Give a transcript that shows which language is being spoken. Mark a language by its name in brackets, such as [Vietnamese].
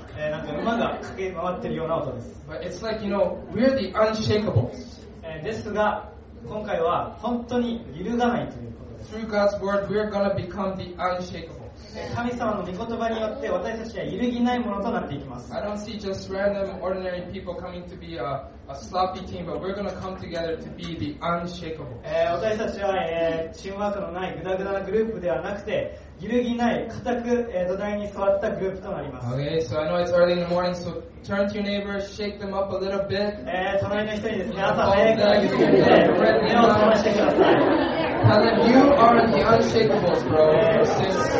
[Japanese] なんか馬が駆け回ってるような音です。 [English] But it's like, you know, we're the unshakables. [Japanese] ですが今回は本当に揺るがないということです。 [English] Through God's word, we're gonna become the unshakable. [Japanese] 神様の御言葉によって私たちは揺るぎないものとなっていきます。 [English] I don't see just random ordinary people coming to be a sloppy team, but we're going to come together to be the unshakable. [Japanese] 私たちは、チームワークのないグダグダなグループではなくて揺るぎない固く、土台に座ったグループとなります。 [English] Okay, so I know it's early in the morning, so turn to your neighbor, shake them up a little bit. [Japanese] 隣の人にですね、朝早くから揺るぎて目を覚ましてください。 [English] Tell them, you are the unshakables, bro. Since...